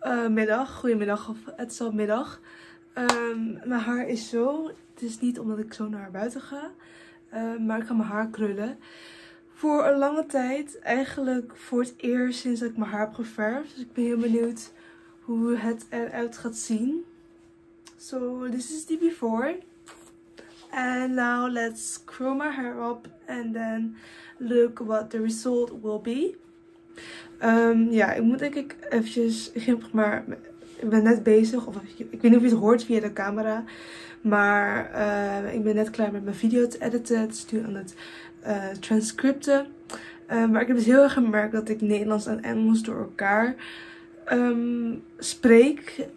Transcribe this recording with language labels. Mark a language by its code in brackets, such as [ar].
[nl] Middag, goedemiddag, of het is al middag. Mijn haar is zo. Het is niet omdat ik zo naar buiten ga, maar ik ga mijn haar krullen. Voor een lange tijd, eigenlijk voor het eerst sinds ik mijn haar heb geverfd. Dus ik ben heel benieuwd hoe het eruit gaat zien. [en] So, this is the before. And now let's curl my hair up and then look what the result will be. [nl] Ja, ik moet denk ik eventjes, maar ik ben net bezig, of ik weet niet of je het hoort via de camera, maar ik ben net klaar met mijn video te editen, het is nu aan het transcripten. Maar ik heb dus heel erg gemerkt dat ik Nederlands en Engels door elkaar spreek.